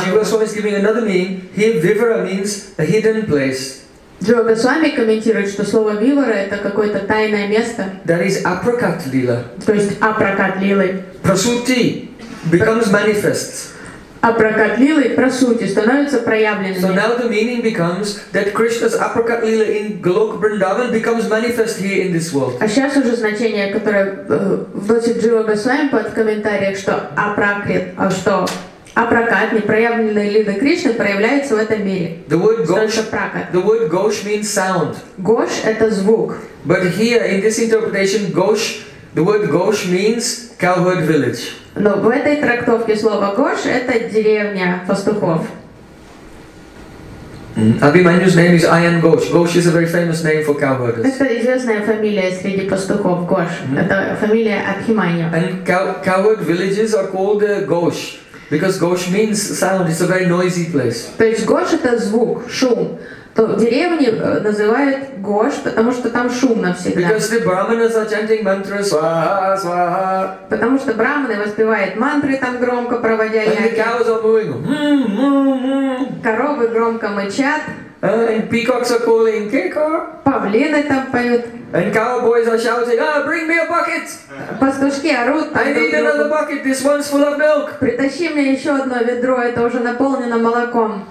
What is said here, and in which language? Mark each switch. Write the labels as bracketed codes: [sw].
[en] Jiva Goswami is giving another meaning. Here Vivara means a hidden place. [ru] Jiva Goswami комментирует, что слово Vivara это какое-то тайное место. [en] That is Aprakat Lila. [ru] То есть Апракат Лилы. [en] Prasuti becomes manifest. [ru] Апракат лилы прасути становится проявленным. [en] So now the meaning becomes that Krishna's Aprakat lila in Golok Vrindavan becomes manifest here in this world. [ru] А сейчас уже значение, которое вносит Джива Госвами под комментариях, что Апракат, а что Апракат, непроявленная лила Кришны проявляется в этом мире. [en] The word Gosh, the word Gosh means sound. [ru] Gosh это звук. [en] But here in this interpretation, Gosh, the word Gosh means cowherd village. [ru] Но в этой трактовке слово Гош это деревня пастухов. [en] Abhimanyu's name is Ayan Gosh. Gosh is a very famous name for cowherders. [ru] Это известная фамилия среди пастухов Гош. Это фамилия Abhimanyu. [en] And cowherd villages are called Gosh because Gosh means sound. It's a very noisy place. [ru] То есть Гош это звук, шум. То деревни называют Гош, потому что там шумно всегда. [en] Because the brahmanas are chanting mantras, swaha, swaha. [ru] Потому что брахманы воспевают мантры там громко, проводя яги. [en] And the cows are mooing. [ru] Коровы громко мычат. [en] And peacocks are calling kikar. [ru] Павлины там поют. [en] And cowboys are shouting, ah, bring me a bucket. [ru] Пастушки орут. [en] I need another bucket. This one's full of milk. [ru] Притащи мне еще одно ведро. Это уже наполнено молоком.